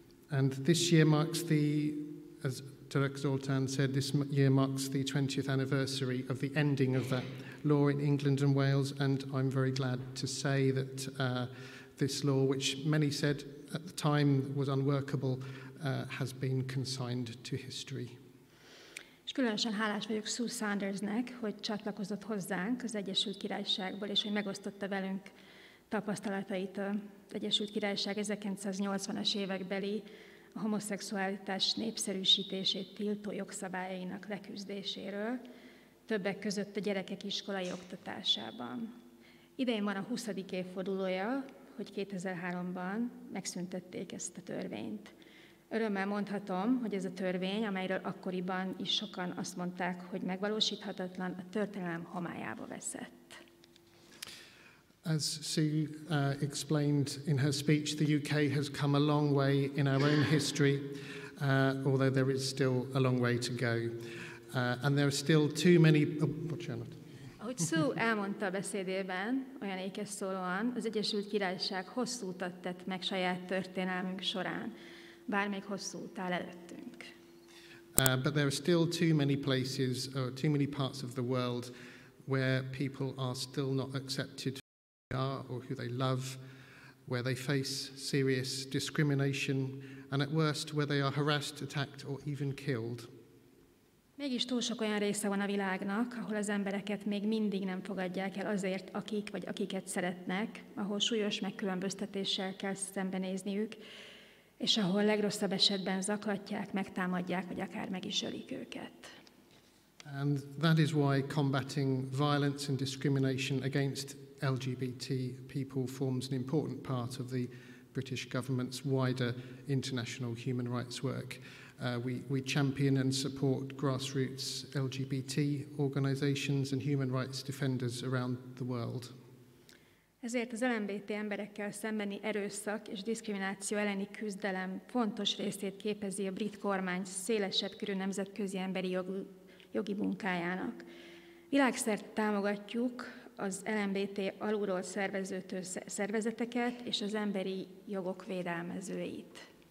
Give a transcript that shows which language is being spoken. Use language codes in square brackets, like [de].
[en] And this year marks the 20th anniversary of the ending of that law in England and Wales, and I'm very glad to say that this law, which many said at the time was unworkable, has been consigned to history. [hu] És különösen hálás vagyok Sue Sandersnek, hogy csatlakozott hozzánk az Egyesült Királyságból, és hogy megosztotta velünk tapasztalatait az Egyesült Királyság 1980-as évekbeli a homoszexualitás népszerűsítését tiltó jogszabályainak leküzdéséről, többek között a gyerekek iskolai oktatásában. Idén van a 20. évfordulója, hogy 2003-ban megszüntették ezt a törvényt. Örömmel mondhatom, hogy ez a törvény, amelyről akkoriban is sokan azt mondták, hogy megvalósíthatatlan, a történelem homályába veszett. [en] As Sue explained in her speech, the UK has come a long way in our own history, although there is still a long way to go. And there are still too many... [hu] Ahogy Sue elmondta a beszédében, olyan ékes szólóan, az Egyesült Királyság hosszú utat tett meg saját történelmünk során, bár még hosszú út áll előttünk. [en] But there are still too many places, too many parts of the world where people are still not accepted for who they are or who they love, where they face serious discrimination, and at worst, where they are harassed, attacked, or even killed. [hu] Mégis túl sok olyan része van a világnak, ahol az embereket még mindig nem fogadják el azért, akik vagy akiket szeretnek, ahol súlyos megkülönböztetéssel kell szembenézniük, és ahol legrosszabb esetben zaklatják, megtámadják, vagy akár meg is ölik őket. [en] And that is why combating violence and discrimination against LGBT people forms an important part of the British government's wider international human rights work. We champion and support grassroots LGBT organizations and human rights defenders around the world. [hu] Ezért az LMBT emberekkel szembeni erőszak és diszkrimináció elleni küzdelem fontos részét képezi a brit kormány szélesebb körű nemzetközi emberi jogi munkájának. Világszerte támogatjuk az LMBT alulról szerveződő szervezeteket és az emberi jogok védelmezőit.